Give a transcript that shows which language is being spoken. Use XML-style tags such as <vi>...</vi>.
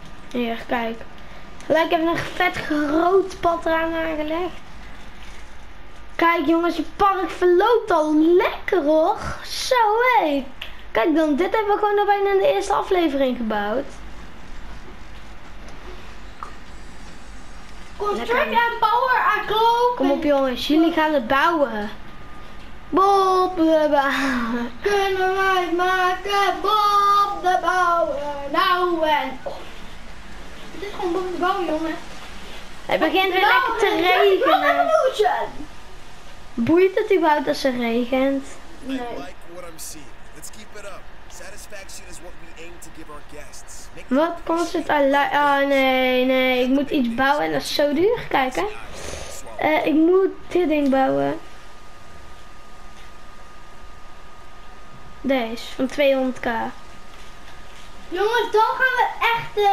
<nl>Hier, kijk. Gelijk even een vet groot pad eraan aangelegd. Kijk jongens, je park verloopt al lekker hoor. Zo hé. Kijk dan, dit hebben we gewoon al bijna in de eerste aflevering gebouwd.</nl> <en>Construct and power and clothing.</en> <nl>Kom op jongens, jullie gaan het bouwen. Bob de bouwer. Kunnen wij maken Bob de bouwer. Nou en. Oh. Dit is gewoon Bob de bouwer jongen. Het begint weer lekker te regenen. Nog een boeit het überhaupt als het regent? Nee.</nl> <en>Let's keep it up. Satisfaction is what we aim to give our guests.</en> <nl>Wat kost het? Oh nee. Ik moet iets bouwen en dat is zo duur. Kijk hè. Ik moet dit ding bouwen. Deze. Van 200.000. Jongens, dan gaan we echt</nl>